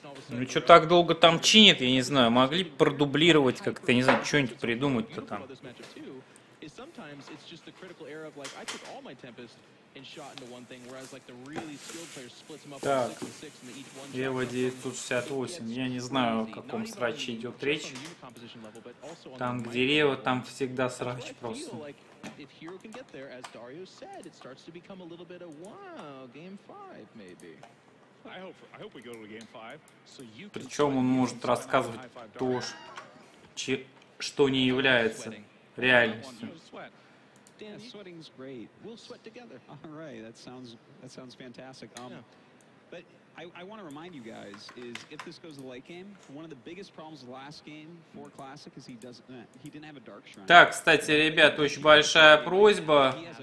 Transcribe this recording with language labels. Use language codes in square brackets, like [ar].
[ru] Ну что так долго там чинит, я не знаю, могли продублировать как-то, не знаю, что-нибудь придумать-то там. [en] Sometimes it's just the critical error of like I took all my Tempest and shot into one thing, whereas like the really skilled players splits them up [ru] так, [en] on 6 and 6 and each one. [ru] Лево 968. Я не знаю, о каком сраче идет речь. Там, где лево, там всегда срач просто. [en] If Hero can get there, as Dario said, it starts to become a little bit of wow, game 5, maybe. I hope we go to game 5. So you can. [ru] Причем он может рассказывать то, что не является реальностью. [en] Yeah, sweating's great. We'll sweat together. All right, that sounds fantastic. But I want to remind you guys is if this goes to the late game, one of the biggest problems last game for Classic is he didn't have a dark shrine. [ru] Так, кстати, ребят, очень большая просьба.